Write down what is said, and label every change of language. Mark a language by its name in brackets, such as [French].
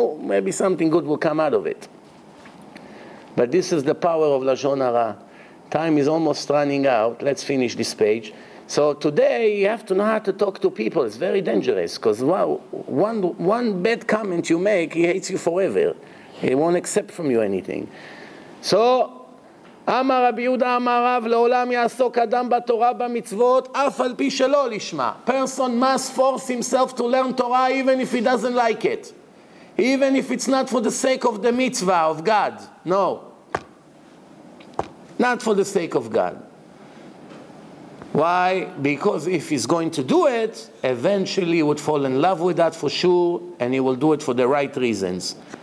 [English] No, maybe something good will come out of it. But this is the power of Lashon Hara. Time is almost running out. Let's finish this page. So today, you have to know how to talk to people. It's very dangerous, because one bad comment you make, he hates you forever. He won't accept from you anything. [Hebrew] So, אמר רבי יהודה אמר רב לעולם יעסוק אדם בתורה במצוות אף על פי שלא לשמע. [English] Person must force himself to learn Torah even if he doesn't like it. Even if it's not for the sake of the mitzvah of God. No. Not for the sake of God. Why? Because if he's going to do it, eventually he would fall in love with that for sure, and he will do it for the right reasons.